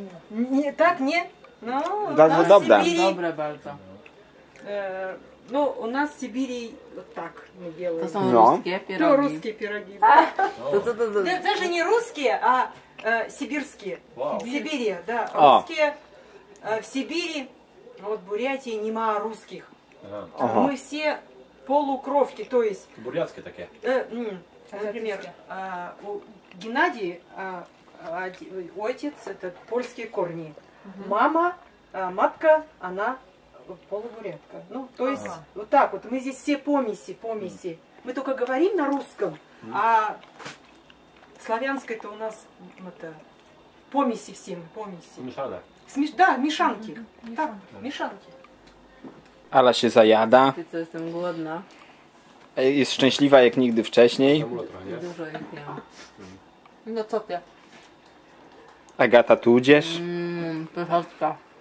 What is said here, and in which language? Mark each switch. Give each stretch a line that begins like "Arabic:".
Polish: Nie, tak, nie? No, bardzo dobre. Dobre bardzo. No, u nas w Sibirii tak, nie wiem. To są ruskie pierogi. To ruskie pierogi. To. Też nie ruskie, a сибирские.
Russian: Wow. Сибирия, да. Русские. В Сибири, вот в Бурятии, нема русских. Мы все полукровки, то есть... Бурятские такие. Например, у Геннадий, отец, это польские корни. Мама, матка, она полубурятка. Ну, то есть, вот так вот. Мы здесь все помеси, помеси. Мы только говорим на русском, а... Славянская-то у нас это, помеси всем, помеси. Мешанка. Да, мешанки. Так, мешанки.
Polish: Ала się zajada.
Russian: Ты что,
Polish: jestem głodna? Jest szczęśliwa jak nigdy wcześniej. Dużo ich miałam. No co ty? Agata, tu idziesz? Pyszotka.